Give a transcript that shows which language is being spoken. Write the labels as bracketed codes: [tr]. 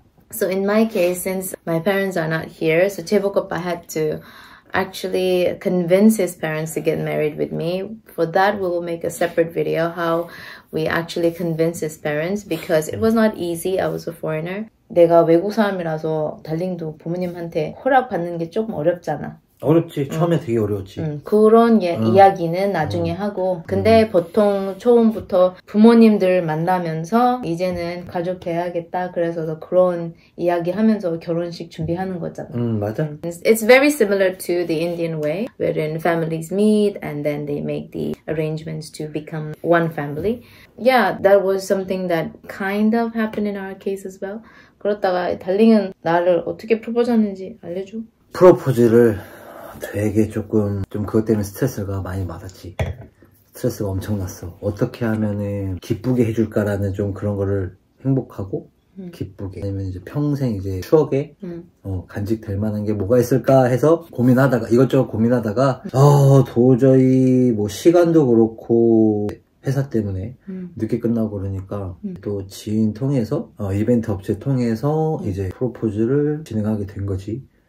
[en] So in my case, since my parents are not here, so Jaebok Oppa had to actually convince his parents to get married with me. For that, we will make a separate video how we actually convinced his parents because it was not easy. I was a foreigner. [ko] 내가 외국 사람이라서 달링도 부모님한테 허락받는 게 조금 어렵잖아. 어렵지. 처음에 되게 어려웠지. 그런 이야기는 나중에 하고 근데 보통 처음부터 부모님들 만나면서 이제는 가족 해야겠다 그래서 그런 이야기 하면서 결혼식 준비하는 거잖아. 맞아. [en] It's very similar to the Indian way wherein families meet and then they make the arrangements to become one family. Yeah, that was something that kind of happened in our case as well. [ko] 그렇다가 달링은 나를 어떻게 프로포즈하는지 알려줘. 프로포즈를 되게 조금 좀 그것 때문에 스트레스가 많이 받았지. 스트레스가 엄청났어. 어떻게 하면은 기쁘게 해줄까라는 좀 그런 거를 행복하고 기쁘게 아니면 이제 평생 이제 추억에 어, 간직될 만한 게 뭐가 있을까 해서 고민하다가 이것저것 고민하다가 도저히 뭐 시간도 그렇고 회사 때문에 늦게 끝나고 그러니까 또 지인 통해서 어, 이벤트 업체 통해서 이제 프로포즈를 진행하게 된 거지.